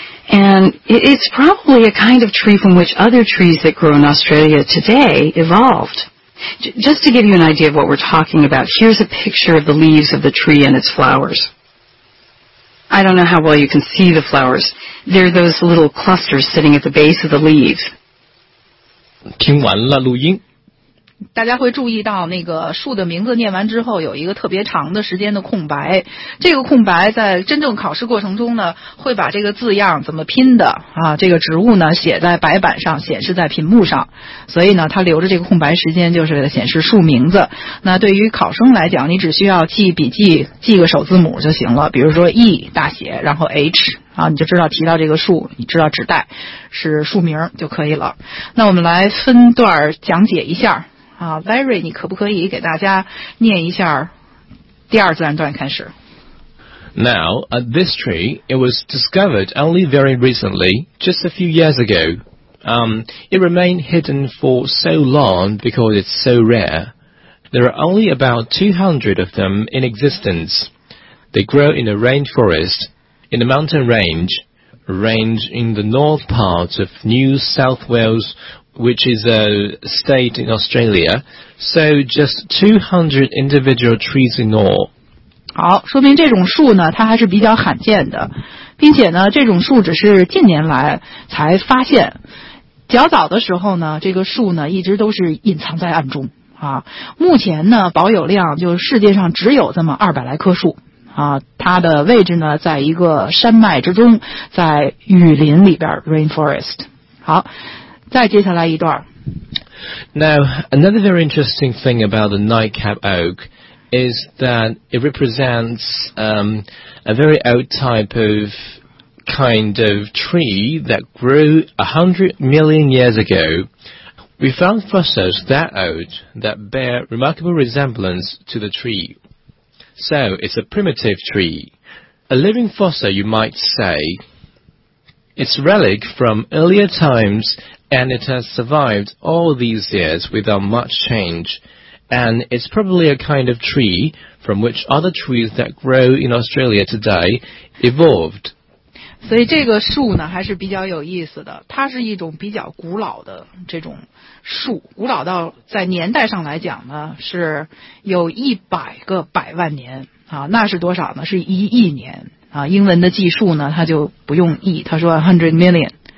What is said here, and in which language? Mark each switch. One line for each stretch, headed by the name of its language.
English: And it's probably a kind of tree from which other trees that grow in Australia today evolved. Just to give you an idea of what we're talking about, here's a picture of the leaves of the tree and its flowers. I don't know how well you can see the flowers. They're those little clusters sitting at the base of the leaves.
Chinese: 听完了录音。大家会注意到那个树的名字念完之后有一个特别长的时间的空白，这个空白在真正考试过程中呢会把这个字样怎么拼的啊，这个植物呢写在白板上，显示在屏幕上，所以呢它留着这个空白时间就是为了显示树名字。那对于考生来讲，你只需要记笔记，记个首字母就行了，比如说 E 大写，然后 H 啊，你就知道提到这个树，你知道指代是树名就可以了。那我们来分段讲解一下啊 ，Larry， 你可不可以给大家念一下第二自然段开始
English: ？Now, this tree, it was discovered only very recently, just a few years ago. It remained hidden for so long because it's so rare. There are only about 200 of them in existence. They grow in a rainforest, in the mountain range in the north part of New South Wales, which is a state in Australia. So just 200 individual trees in all.
Chinese: 好，说明这种树呢，它还是比较罕见的，并且呢，这种树只是近年来才发现。较早的时候呢，这个树呢，一直都是隐藏在暗中啊。目前呢，保有量就是世界上只有这么200来棵树啊。它的位置呢，在一个山脉之中，在雨林里边 ，rainforest。好，再接下来一段。
English: Now another very interesting thing about the nightcap oak. Is that it represents a very old type of kind of tree that grew 100 million years ago. We found fossils that old that bear remarkable resemblance to the tree. So it's a primitive tree. A living fossil, you might say. It's relic from earlier times and it has survived all these years without much change. And it's probably a kind of tree from which other trees that grow in Australia today evolved.
Chinese: 所以这个树呢还是比较有意思的，它是一种比较古老的这种树，古老到在年代上来讲呢是有100个百万年啊，那是多少呢？是1亿年啊。英文的计数呢，它就不用亿，它说 100 million。